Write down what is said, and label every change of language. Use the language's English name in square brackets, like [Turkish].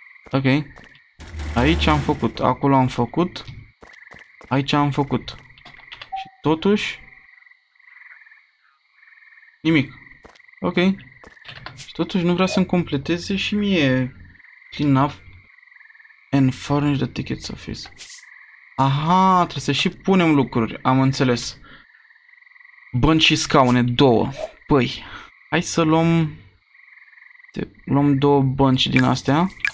[Romanian] Ok. Aici am făcut, acolo am făcut. Aici am făcut. Și totuși... nimic. Ok. Și totuși nu vrea să-mi completeze și mie. [English] Clean up and furnish the ticket office. [Romanian] Aha, trebuie să și punem lucruri. Am înțeles. Bănci și scaune, două. Păi, hai să luăm... luăm două bănci din astea.